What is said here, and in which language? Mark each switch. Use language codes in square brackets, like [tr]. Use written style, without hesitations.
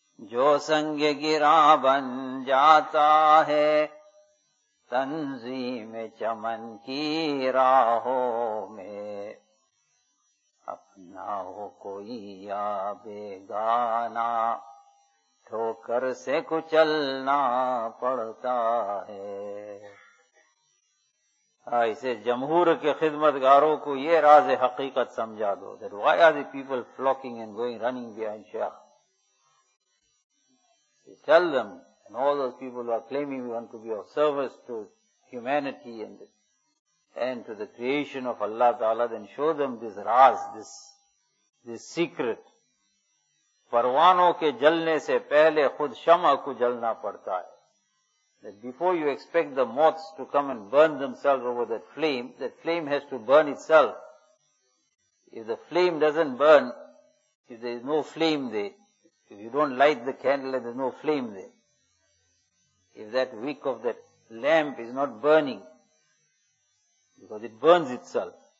[ur] جو سنگ گرا بن جاتا ہے تنظیم چمن کی راہوں میں اپنا ہو کوئی یا بیگانا ٹھوکر سے کچلنا پڑتا ہے. اسے جمہور کے خدمت گاروں کو یہ راز حقیقت سمجھا دو. [en] That why are the people flocking and going running behind Shaykh? You tell them, and all those people who are claiming we want to be of service to humanity and to the creation of Allah Ta'ala, then show them this raz, this secret. [ur] پروانوں کے جلنے سے پہلے خود شمع کو جلنا پڑتا ہے. [en] That before you expect the moths to come and burn themselves over that flame has to burn itself. If the flame doesn't burn, if there is no flame there, if you don't light the candle and there is no flame there, if that wick of that lamp is not burning, because it burns itself.